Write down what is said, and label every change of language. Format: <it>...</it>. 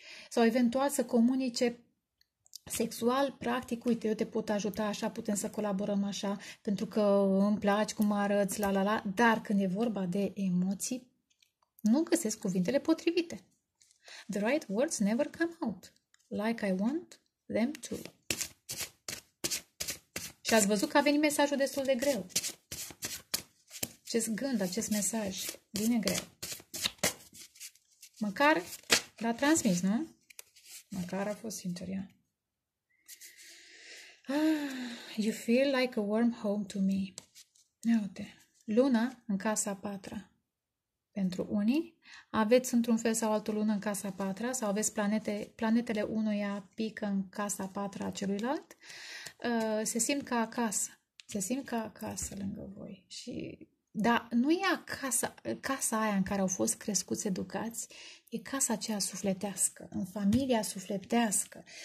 <ro>sau eventual să comunice sexual, practic, uite, eu te pot ajuta așa, putem să colaborăm așa, pentru că îmi placi cum arăți, la la la, dar când e vorba de emoții, nu găsesc cuvintele potrivite.</ro> <en>The right words never come out like I want them to.</en> <ro>Și ați văzut că a venit mesajul destul de greu. Acest gând, acest mesaj, vine greu. Măcar l-a transmis, nu? Măcar a fost sintonia.</ro> <en>You feel like a warm home to me.</en> <ro>Ia uite, luna în casa a patra. Pentru unii, aveți într-un fel sau altul lună în casa a patra sau aveți planetele unuia pică în casa a patra a celuilalt, se simt ca acasă. Se simt ca acasă lângă voi. Și, dar nu e acasă, casa aia în care au fost crescuți, educați, e casa aceea sufletească, în familia sufletească.</ro>